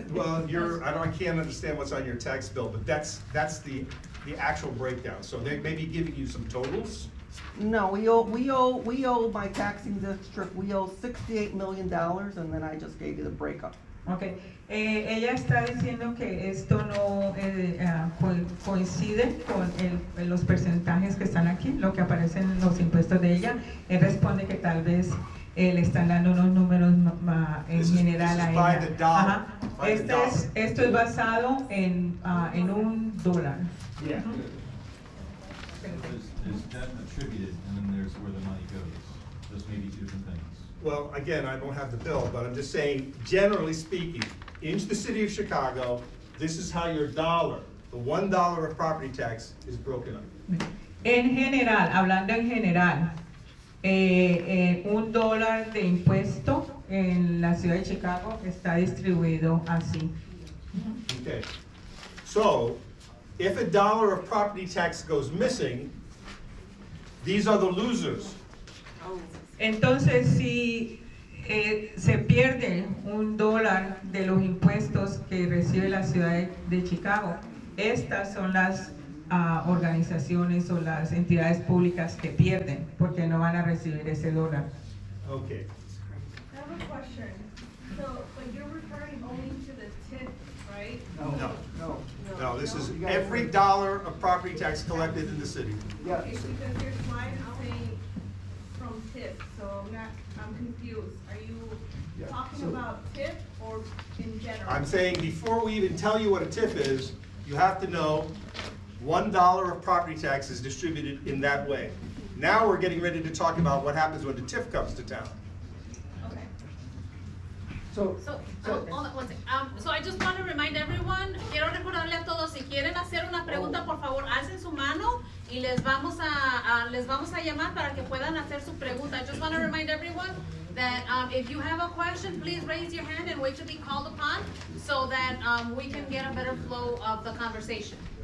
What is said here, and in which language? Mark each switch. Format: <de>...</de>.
<en>Well, I can't understand what's on your tax bill, but that's the the actual breakdown. So they may be giving you some totals. No, we owe my taxing district, we owe $68 million, and then I just gave you the breakup.</en> <es>Okay, ella está diciendo que esto no coincide con los porcentajes que están aquí, lo que aparecen en los impuestos de ella. Él responde que tal vez le están dando unos números en general a ella. Esto es basado en un dólar.</es> <en>Is debt attributed, and then there's where the money goes. Those may be two different things. Well, again, I don't have the bill, but I'm just saying, generally speaking, into the city of Chicago, this is how your dollar, the $1 of property tax, is broken up.</en> <es>En general, hablando en general, un dólar de impuesto en la ciudad de Chicago está distribuido así.</es> <en>Okay. So, if a dollar of property tax goes missing, these are the losers.</en> <es>Entonces, si se pierde un dólar de los impuestos que recibe la ciudad de Chicago, estas son las organizaciones o las entidades públicas que pierden, porque no van a recibir ese dólar.</es> <en>Okay. I have a question. So, when you're referring only to the TIF, right? No. No, this is every dollar of property tax collected in the city. Yes. Okay, because there's mine saying from TIF, so I'm confused. Are you talking about TIF or in general? I'm saying before we even tell you what a TIF is, you have to know $1 of property tax is distributed in that way. Now we're getting ready to talk about what happens when the TIF comes to town. So I just want to remind everyone,</en> <es>quiero recordarle a todos, si quieren hacer una pregunta, por favor, alcen su mano y les vamos a llamar para que puedan hacer su pregunta.</es> <en>I just want to remind everyone that if you have a question, please raise your hand and wait to be called upon so that we can get a better flow of the conversation.</en>